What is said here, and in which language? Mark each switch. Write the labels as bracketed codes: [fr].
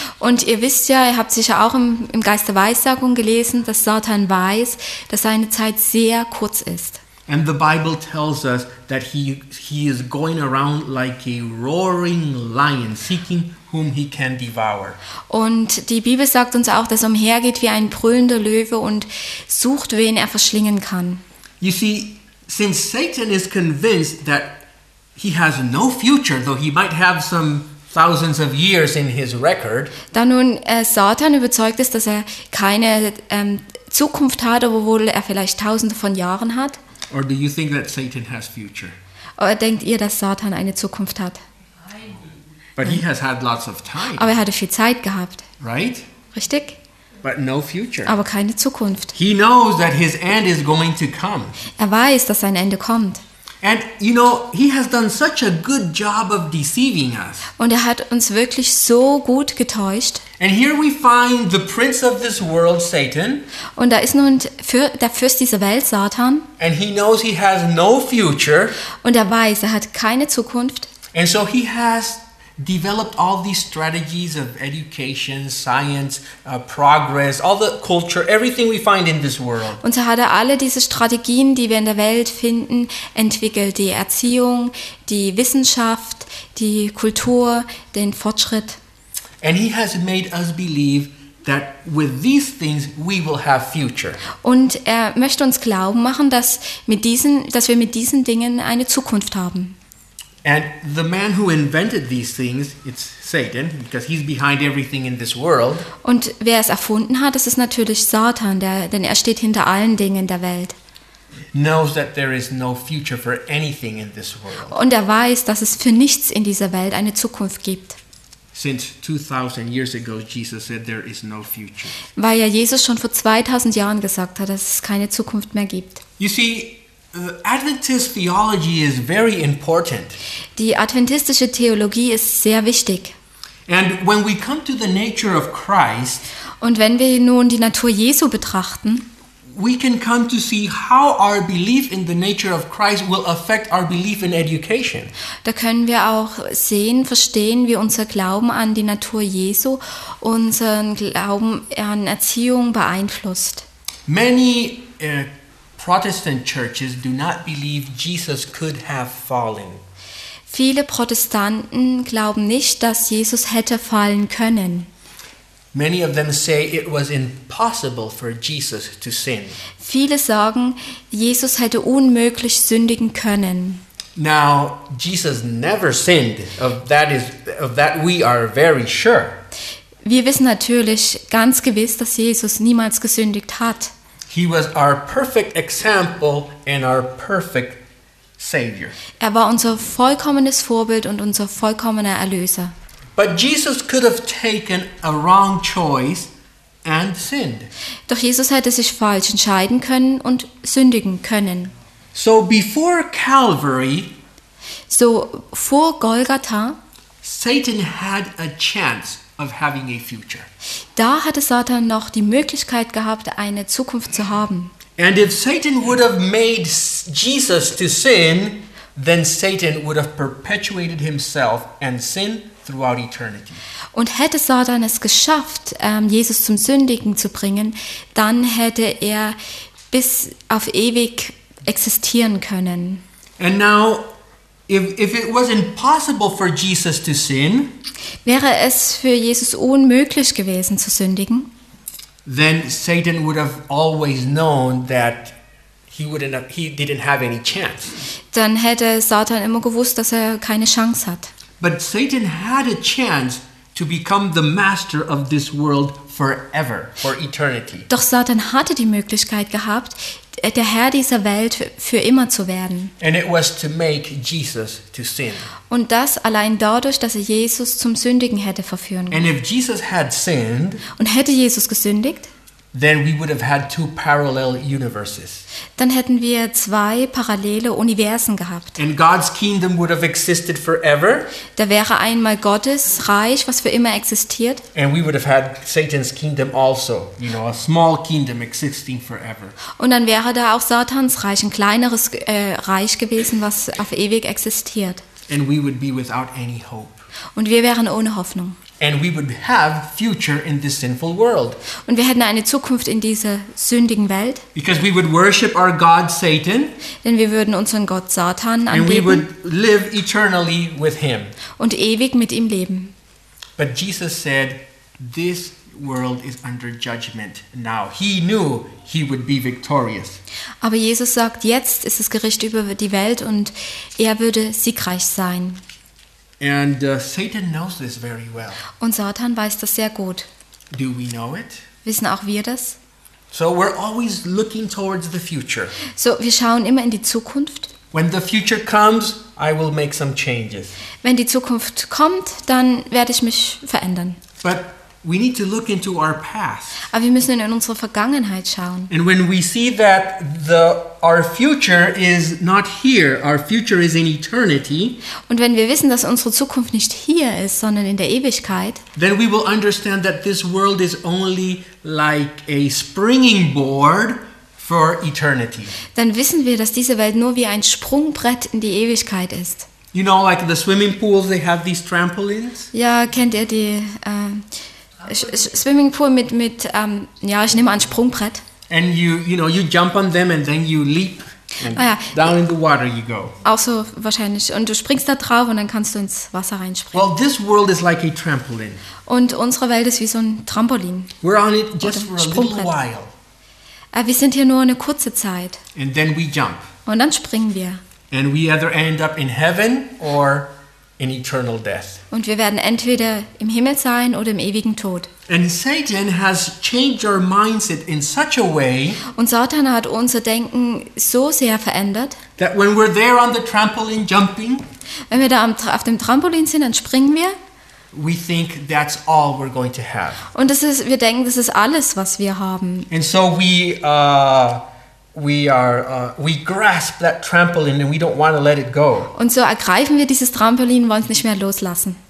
[de] Und ihr wisst ja, ihr habt sicher auch im Geist der Weissagung gelesen, dass Satan weiß, dass seine Zeit sehr kurz ist. [en] And the Bible tells us that he is going around like a roaring lion seeking whom he can devour. [de] Und die Bibel sagt uns auch, dass er umhergeht wie ein brüllender Löwe und sucht, wen er verschlingen kann. [en] You see, since Satan is convinced that he has no future, though he might have some thousands of years in his record. [de] Da nun Satan überzeugt ist, dass er keine Zukunft hat, obwohl er vielleicht tausende von Jahren hat. [en] Or do you think that Satan has future? [de] Oder denkt ihr, dass Satan eine Zukunft hat? [en] But he has had lots of time. [de] Aber er hatte viel Zeit gehabt. [en] Right? [de] Richtig? [en] But no future. [de] Aber keine Zukunft. [en] He knows that his end is going to come. [de] Er weiß, dass sein Ende kommt. [en] And you know, he has done such a good job of deceiving us. [de] Und hat uns wirklich so gut getäuscht. [en] And here we find the prince of this world, Satan. [de] Und da ist nun der Fürst dieser Welt, Satan. [en] And he knows he has no future. [de] Und weiß, hat keine Zukunft. [en] And so he has developed all these strategies of education, science, progress, all the culture, everything we find in this world. [de] Und so hat alle diese Strategien, die wir in der Welt finden, entwickelt. Die Erziehung, die Wissenschaft, die Kultur, den Fortschritt. [en] And he has made us believe that with these things we will have future. [de] Und möchte uns glauben machen, dass wir mit diesen Dingen eine Zukunft haben. [en] And the man who invented these things, it's Satan, because he's behind everything in this world. [de] Und wer es erfunden hat, das ist natürlich Satan, denn steht hinter allen Dingen der Welt. [en] Knows that there is no future for anything in this world. [de] Und weiß, dass es für nichts in dieser Welt eine Zukunft gibt. [en] Since 2000 years ago Jesus said there is no future. [de] Weil Jesus schon vor 2000 Jahren gesagt hat, dass es keine Zukunft mehr gibt. [en] You see, Adventist theology is very important. [de] Die adventistische Theologie ist sehr wichtig. [en] And when we come to the nature of Christ, [de] und wenn wir nun die Natur Jesu betrachten, [en] we can come to see how our belief in the nature of Christ will affect our belief in education. [de] Da können wir auch sehen, verstehen, wie unser Glauben an die Natur Jesu unseren Glauben an Erziehung beeinflusst. [en] Many Protestant churches do not believe Jesus could have fallen. [de] Viele Protestanten glauben nicht, dass Jesus hätte fallen können. [en] Many of them say it was impossible for Jesus to sin. [de] Viele sagen, Jesus hätte unmöglich sündigen können. [en] Now, Jesus never sinned. Of that we are very sure. [de] Wir wissen natürlich ganz gewiss, dass Jesus niemals gesündigt hat. [en] He was our perfect example and our perfect savior. [de] War unser vollkommenes Vorbild und unser vollkommener Erlöser. [en] But Jesus could have taken a wrong choice and sinned. [de] Doch Jesus hätte sich falsch entscheiden können und sündigen können. [en] So before Calvary, [de] so vor Golgatha, [en] Satan had a chance of having a future. [de] Da hatte Satan noch die Möglichkeit gehabt, eine Zukunft zu haben. [en] And if Satan would have made Jesus to sin, then Satan would have perpetuated himself and sin throughout eternity. [de] Und hätte Satan es geschafft, Jesus zum Sündigen zu bringen, dann hätte bis auf ewig existieren können. [en] And now, if it was impossible for Jesus to sin, [de] wäre es für Jesus unmöglich gewesen zu sündigen, [en] then Satan would have always known that he didn't have any chance. [de] Dann hätte Satan immer gewusst, dass keine Chance hat. [en] But Satan had a chance to become the master of this world forever, for eternity. [de] Doch Satan hatte die Möglichkeit gehabt, der Herr dieser Welt für immer zu werden. [en] And it was to make Jesus to sin. [de] Und das allein dadurch, dass Jesus zum Sündigen hätte verführen können. [en] And if Jesus had sinned, [de] und hätte Jesus gesündigt, [en] then we would have had two parallel universes. [de] Dann hätten wir zwei parallele Universen gehabt. [en] And God's kingdom would have existed forever. [de] Da wäre einmal Gottes Reich, was für immer existiert. [en] And we would have had Satan's kingdom also, you know, a small kingdom existing forever. [de] Und dann wäre da auch Satans Reich, ein kleineres Reich gewesen, was auf ewig existiert. [en] And we would be without any hope. [de] Und wir wären ohne Hoffnung. [en] And we would have future in this sinful world. [de] Und wir hätten eine Zukunft in dieser sündigen Welt. [en] Because we would worship our God Satan. [de] Denn wir würden unseren Gott Satan anbeten. [en] And we would live eternally with him. [de] Und ewig mit ihm leben. [en] But Jesus said, "This world is under judgment now." He knew he would be victorious. [de] Aber Jesus sagt, jetzt ist das Gericht über die Welt und er würde siegreich sein. [en] And Satan knows this very well. [de] Und Satan weiß das sehr gut. [en] Do we know it? [de] Wissen auch wir das? [en] So we're always looking towards the future. [de] So wir schauen immer in die Zukunft. [en] When the future comes, I will make some changes. [de] Wenn die Zukunft kommt, dann werde ich mich verändern. [en] But we need to look into our past. [de] Aber wir müssen in unsere Vergangenheit schauen. [en] And when we see that our future is not here, our future is in eternity. [de] Und wenn wir wissen, dass unsere Zukunft nicht hier ist, sondern in der Ewigkeit. [en] Then we will understand that this world is only like a springing board for eternity. [de] Dann wissen wir, dass diese Welt nur wie ein Sprungbrett in die Ewigkeit ist. [en] You know, like the swimming pools, they have these trampolines. [de] Ja, kennt ihr die? Swimmingpool mit ja, ich nehme an Sprungbrett. [en] And you know, you jump on them and then you leap and down in the water you go. [de] Also wahrscheinlich, und du springst da drauf und dann kannst du ins Wasser reinspringen. [en] Well, this world is like a trampoline. [de] Und unsere Welt ist wie so ein Trampolin. [en] We're on it just for a little while. [de] Wir sind hier nur eine kurze Zeit. [en] And then we jump. [de] Und dann springen wir. [en] And we either end up in heaven or in eternal death. [de] Und wir werden entweder im Himmel sein oder im ewigen Tod. [en] And Satan has changed our mindset in such a way. [de] Und Satan hat unser Denken so sehr verändert. [en] That when we're there on the trampoline jumping, [de] wenn wir da auf dem Trampolin sind, dann springen wir. [en] We think that's all we're going to have. [de] Und das ist, wir denken, das ist alles, was wir haben. [en] And so we grasp that trampoline and we don't want to let it go. [de] Und so ergreifen wir dieses Trampolin und wollen es nicht mehr loslassen.